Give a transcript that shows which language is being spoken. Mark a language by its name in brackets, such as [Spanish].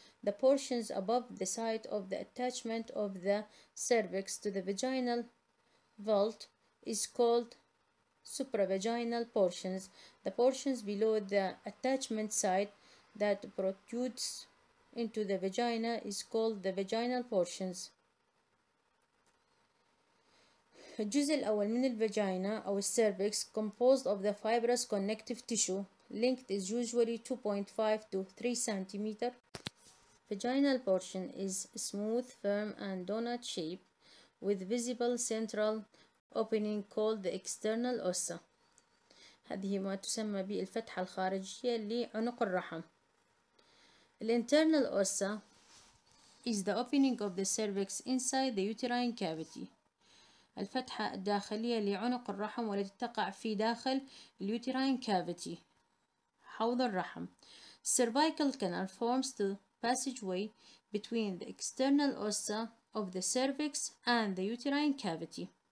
[English] The portions above the site of the attachment of the cervix to the vaginal vault is called supravaginal portions. The portions below the attachment site that protrudes into the vagina is called the vaginal portions. [Arabic] الجزء الأول من الفاجينا أو السيرفكس [English] composed of the fibrous connective tissue. Length is usually 2.5 to 3 centimeters. Vaginal portion is smooth, firm and donut shape with visible central opening called the external ossa. [Arabic] هذه ما تسمى بالفتحة الخارجية لعنق الرحم. [English] The internal ossa is the opening of the cervix inside the uterine cavity. [Arabic] الفتحة الداخلية لعنق الرحم والتي تقع في داخل اليوترين كافيتي، حوض الرحم. [English] Cervical canal forms the passageway between the external ossa of the cervix and the uterine cavity.